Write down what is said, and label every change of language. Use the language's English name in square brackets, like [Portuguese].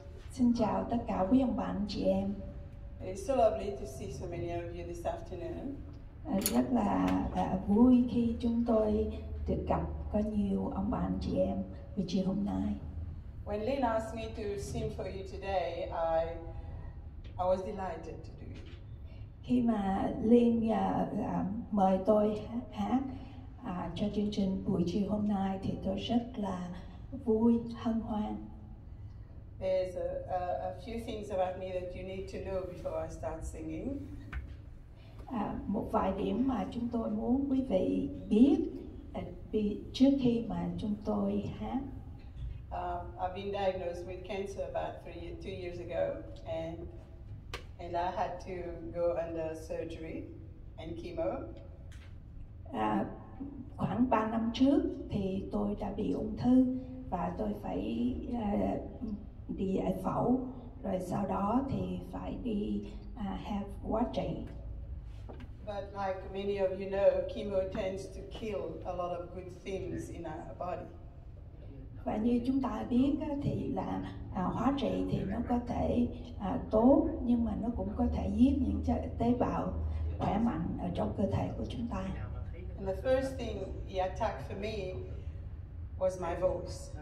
[Vietnamese] Xin chào tất cả quý ông bà anh chị em. [English] It's so lovely to see so many of you this afternoon. [Vietnamese] Rất là vui khi chúng tôi được gặp có nhiều ông bà anh chị em buổi chiều hôm nay. [English] When Lynn asked me to sing for you today, I was delighted to do it. [Vietnamese] Khi mà Lynn mời tôi hát cho chương trình buổi chiều hôm nay thì tôi rất là vui, hân hoan. [English] There's a few things about me that you need to know before I start singing. [Vietnamese] Một vài điểm mà chúng tôi muốn quý vị biết trước khi mà chúng tôi hát. [English] I've been diagnosed with cancer about two years ago, and I had to go under surgery and chemo. [Vietnamese] khoảng 3 năm trước thì tôi đã bị ung thư và tôi phải đi giải phẫu, rồi sau đó thì phải đi have quá trình. [English] But like many of you know, chemo tends to kill a lot of good things in our body. [Vietnamese] Và như chúng ta biết thì là hóa trị thì nó có thể tốt, nhưng mà nó cũng có thể giết những tế bào khỏe mạnh ở trong cơ thể của chúng ta. [English] And the first thing he attacked for me was my voice.